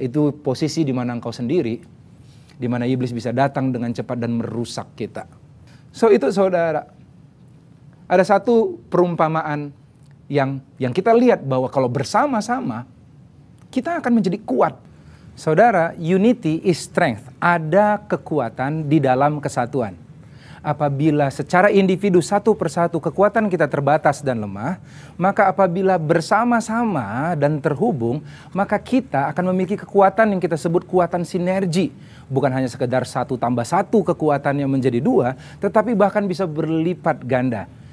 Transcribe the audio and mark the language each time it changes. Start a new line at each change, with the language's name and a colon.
Indonesian: Itu posisi di mana engkau sendiri, di mana iblis bisa datang dengan cepat dan merusak kita. So itu saudara, ada satu perumpamaan yang kita lihat bahwa kalau bersama-sama, kita akan menjadi kuat. Saudara,
English: unity is strength.
Indonesian: Ada kekuatan di dalam kesatuan. Apabila secara individu satu persatu kekuatan kita terbatas dan lemah, maka apabila bersama-sama dan terhubung, maka kita akan memiliki kekuatan yang kita sebut kekuatan sinergi. Bukan hanya sekedar satu tambah satu kekuatan yang menjadi dua, tetapi bahkan bisa berlipat ganda.